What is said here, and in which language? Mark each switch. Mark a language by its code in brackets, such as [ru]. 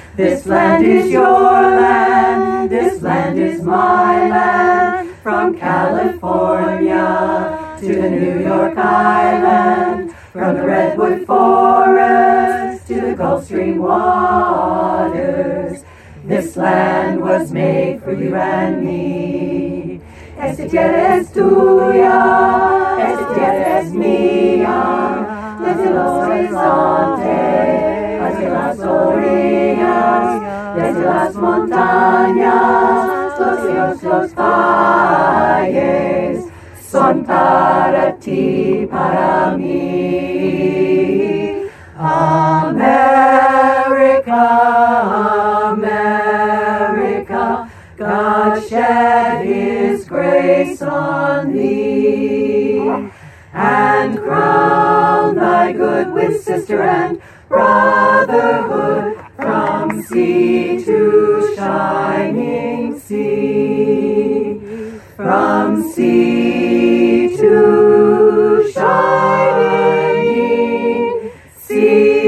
[en] This land is your land, this land is my land, from California to the New York Island, from the Redwood Forest to the Gulf Stream waters. This land was made for you and me. [es] Esta tierra es tuya, esta tierra es mía, desde los horizontes hacia las orillas, desde las montañas, los ríos, los valles, son para ti, para mí. [en] America, America, God shed his grace on thee, and crown thy good with sister and brotherhood from sea to shining sea, from sea to shining sea.